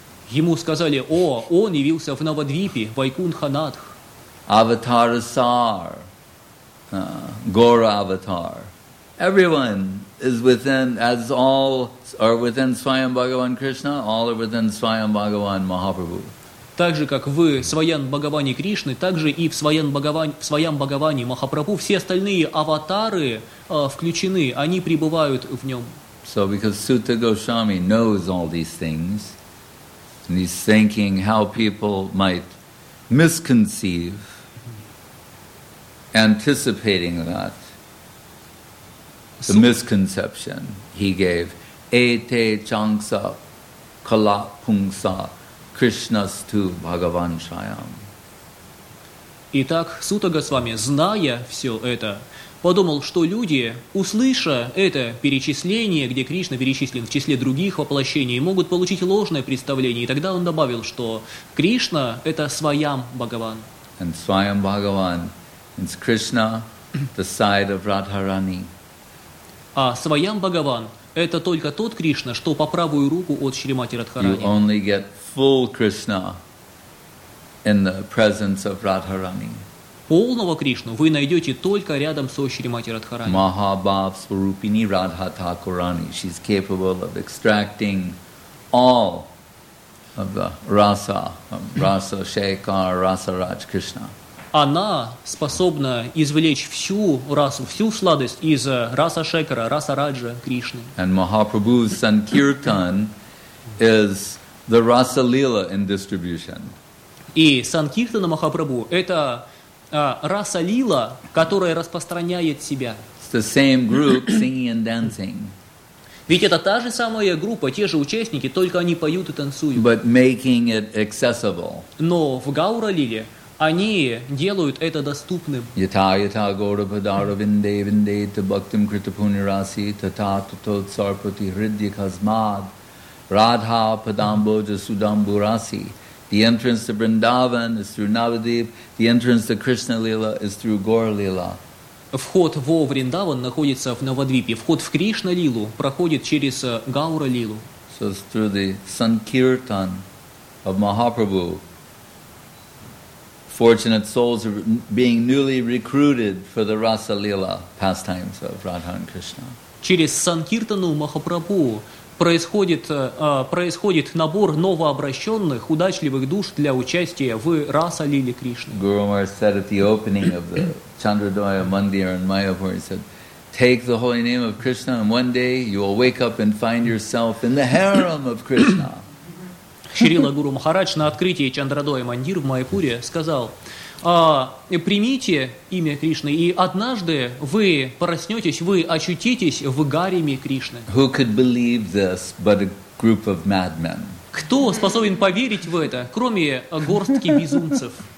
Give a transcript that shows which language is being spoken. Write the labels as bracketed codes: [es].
[ru] Ему сказали: «О, он явился в Навадвипе, Вайкунханадх». Аватарасар, Гора Аватар. [en] Everyone is within, as all are within Swayam Bhagavan Krishna, all are within Swayam Bhagavan Mahaprabhu. [ru] Также как в Свайан Бхагаване Кришны, также и в Свайан Бхагаване Махапрабху, все остальные аватары включены, они пребывают в нем. [en] So because Sutta Goswami knows all these things, and he's thinking how people might misconceive, anticipating that. The misconception he gave. [sa] Ete changsa kala pungsa krishnastu bhagavan shayam. [ru] Итак, Сута Госвами, зная все это, подумал, что люди, услыша это перечисление, где Кришна перечислен в числе других воплощений, могут получить ложное представление. И тогда он добавил, что Кришна – это Свайам Бхагаван. [en] And Swayam Bhagavan is Krishna, the side of Radharani. [ru] А Свайам Бхагаван – это только тот Кришна, что по правую руку от Шримати Радхарани. [en] You only get full Krishna in the presence of Radharani. [ru] Полного Кришну вы найдете только рядом со Шримати Радхарани. [sa] Mahabhav Swarupini Radha Thakurani. [en] She's capable of extracting all of the rasa, rasa Shekhar, rasa Raj Krishna. [ru] Она способна извлечь всю расу, всю сладость из раса Шекара, раса Раджа, Кришны. [en] And Mahaprabhu's Sankirtan is the rasa-lila in distribution. [ru] и Санкиртана Махапрабху – это раса лила, которая распространяет себя. [en] It's the same group singing and dancing. [ru] Ведь это та же самая группа, те же участники, только они поют и танцуют. [en] But making it accessible. [ru] Но в Гаура-лиле они делают это доступным. [sa] Yata yata gaura padara vinde vinde ta bhaktim kritapuni rasi tata tatot sarpati hridya kasmad radha padamboja sudambu rasi. [en] The entrance to Vrindavan is through Navadip. The entrance to Krishna Lila is through Gaura Lila. [ru] Вход во Вриндаван находится в Навадвипе. Вход в Кришна Лилу проходит через Гаура Лилу. [en] So it's through the Sankirtan of Mahaprabhu. Fortunate souls are being newly recruited for the Rasa Lila pastimes of Radha and Krishna. [ru] Через Санкиртану Махапрабху происходит набор новообращенных, удачливых душ для участия в Раса Лиле Кришны. [en] Guru Maharaj said at the opening of the Chandradvaya Mandir in Mayapur, he said, take the holy name of Krishna and one day you will wake up and find yourself in the harem of Krishna. [ru] Шрила Гуру Махарадж на открытии Чандрадоя Мандир в Майпуре сказал, примите имя Кришны, и однажды вы проснетесь, вы очутитесь в гареме Кришны. [en] Who could believe this but a group of madmen? [ru] Кто способен поверить в это, кроме горстки безумцев?